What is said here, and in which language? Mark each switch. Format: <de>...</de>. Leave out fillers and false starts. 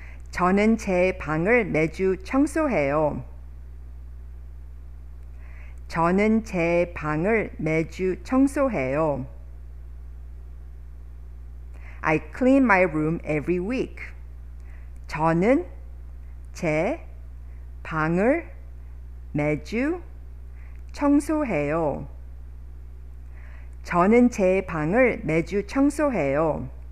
<ko>저는 제 방을 매주 청소해요. 저는 제 방을 매주 청소해요.</ko> <en>I clean my room every week.</en> <ko>저는 제 방을 매주 청소해요. 저는 제 방을 매주 청소해요.</ko>